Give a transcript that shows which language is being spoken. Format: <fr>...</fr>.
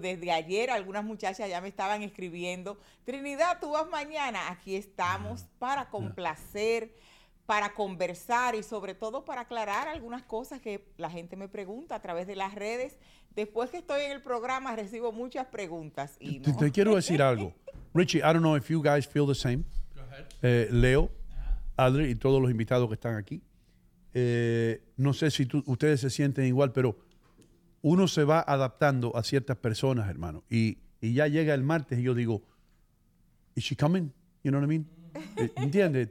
<es>Desde ayer algunas muchachas ya me estaban escribiendo. Trinidad, tú vas mañana. Aquí estamos para complacer, para conversar y sobre todo para aclarar algunas cosas que la gente me pregunta a través de las redes. Después que estoy en el programa recibo muchas preguntas. Y no. Te quiero decir algo.</es> <en>Richie, I don't know if you guys feel the same. Go ahead.</en> <es>Leo, Adler y todos los invitados que están aquí. No sé si ustedes se sienten igual, pero uno se va adaptando a ciertas personas, hermano. Y ya llega el martes y yo digo,</es> <en>¿Is she coming? You know what I mean?</en> <es>¿Entiendes?</es>